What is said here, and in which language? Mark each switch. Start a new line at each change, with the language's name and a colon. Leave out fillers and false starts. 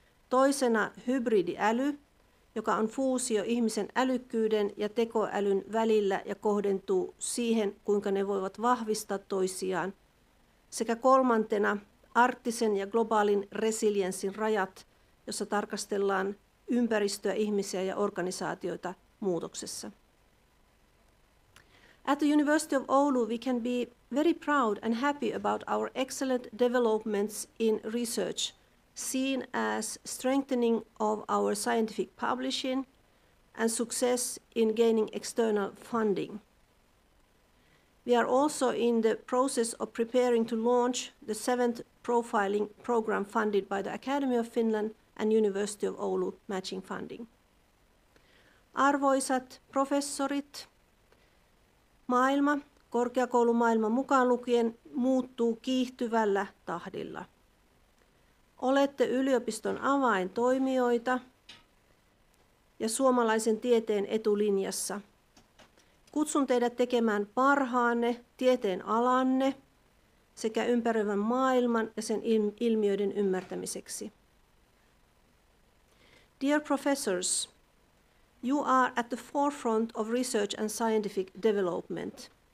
Finnish: Toisena hybridiäly, joka on fuusio ihmisen älykkyyden ja tekoälyn välillä ja kohdentuu siihen, kuinka ne voivat vahvistaa toisiaan. Sekä kolmantena arktisen ja globaalin resilienssin rajat, jossa tarkastellaan ympäristöä, ihmisiä ja organisaatioita muutoksessa.
English: At the University of Oulu, we can be very proud and happy about our excellent developments in research, seen as strengthening of our scientific publishing and success in gaining external funding. We are also in the process of preparing to launch the 7th profiling program funded by the Academy of Finland and University of Oulu matching funding.
Finnish: Arvoisat professorit, maailma, korkeakoulumaailma mukaan lukien, muuttuu kiihtyvällä tahdilla. Olette yliopiston avaintoimijoita ja suomalaisen tieteen etulinjassa. Kutsun teidät tekemään parhaanne, tieteen alanne sekä ympäröivän maailman ja sen ilmiöiden ymmärtämiseksi.
English: Dear professors, you are at the forefront of research and scientific development.